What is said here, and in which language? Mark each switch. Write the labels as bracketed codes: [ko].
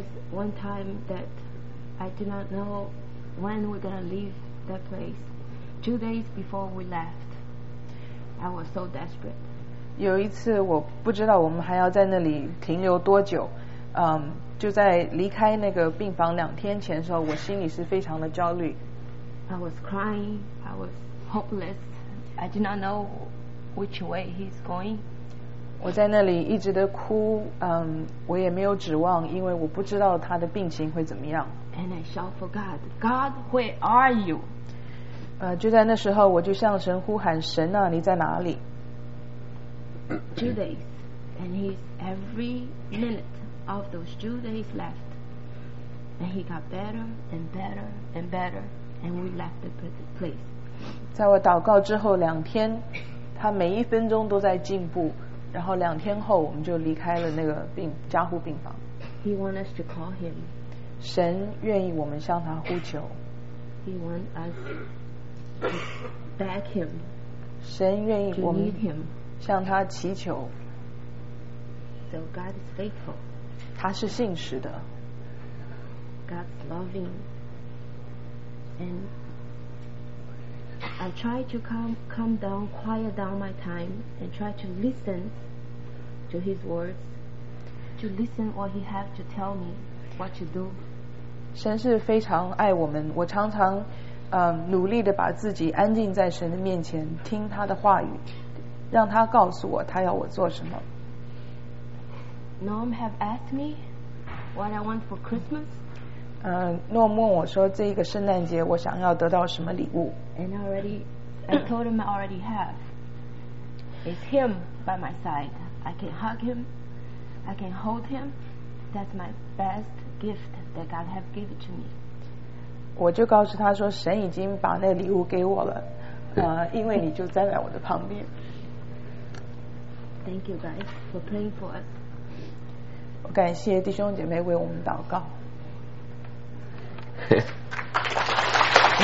[en] One time that I did not know when we're going to leave that place. 2 days before we left, I was so desperate. [zh] 有一次我不知道我们还要在那里停留多久，就在离开那个病房2天前的时候，我心里是非常的焦虑。 [en] I was crying, I was hopeless. I did not know which way he's going. [zh] 我在那里一直的哭，我也没有指望，因为我不知道他的病情会怎么样。 [en] And I shout for God, God, where are you? [zh] 就在那时候，我就向神呼喊，神啊，你在哪里 [en] ？2 days, and he's every minute of those 2 days left, and he got better and better and better, and we left the place. [zh] 在我祷告之后2天，他每一分钟都在进步。然后2天后我们就离开了那个加护病房。 [en] He wants us to call him. [zh] 神愿意我们向他呼求。 [en] He wants us to beg him. [zh] 神愿意我们向他祈求。 [en] So God is faithful. [zh] 他是信实的。 [en] God's loving. And I try to calm down, quiet down my time and try to listenTo his words, to listen what he have to tell me, what to do. [zh] 神是非常爱我们，我常常努力的把自己安静在神的面前，听他的话语，让他告诉我他要我做什么。 [en] Norm have asked me what I want for Christmas. [zh] 诺姆问我说这个圣诞节我想要得到什么礼物。 [en] And I told him I already have. It's him by my side. I can hug him, I can hold him. That's my best gift that God has given to me. [zh] 我就告诉他说，神已经把那礼物给我了，因为你就站在我的旁边。 [en] Thank you guys for praying for us. [zh] 我感谢弟兄姐妹为我们祷告。谢